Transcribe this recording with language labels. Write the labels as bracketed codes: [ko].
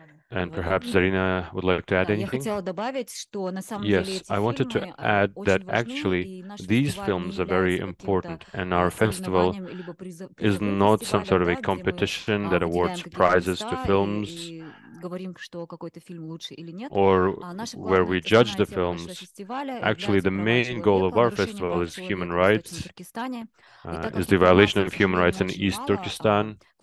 [en] And perhaps Zarina would like to add anything. Yes, I wanted to add that actually these films are very important and our festival is not some sort of a competition that awards prizes to films [ru] говорим, что какой-то фильм лучше или нет. [en] Or where we judge the films. Actually, the main goal of our festival is human rights, is the violation of human rights in East Turkestan.